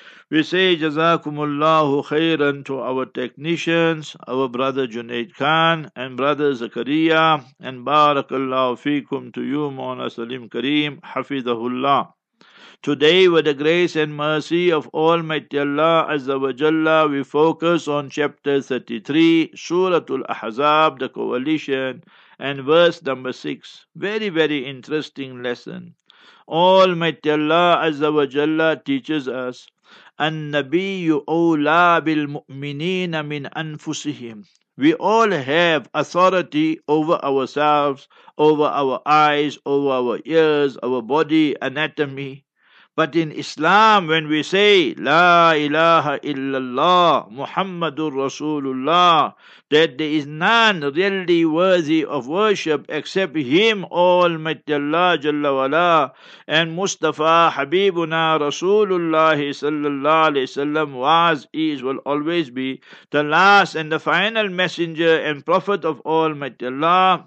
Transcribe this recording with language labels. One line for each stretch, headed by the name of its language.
English: We say Jazakumullahu khairan to our technicians, our brother Junaid Khan and brother Zakaria, and Barakallahu feekum to you, Moulana Salim Kareem, Hafidhahullah. Today, with the grace and mercy of Almighty Allah Azza wa Jalla, we focus on chapter 33, Suratul Ahzab, the coalition, and verse number 6. Very, very interesting lesson. Almighty Allah Azza wa Jalla teaches us,
Arabic: النبي أولى بالمؤمنين من أنفسهم.
English: We all have authority over ourselves, over our eyes, over our ears, our body, anatomy. But in Islam, when we say
Arabic: لا إله إلا الله محمد رسول الله,
English: that there is none really worthy of worship except Him, Almighty Allah Jalla Wala, and Mustafa Habibuna Rasulullah Sallallahu Alaihi Wasallam was, is, will always be the last and the final messenger and prophet of Almighty Allah.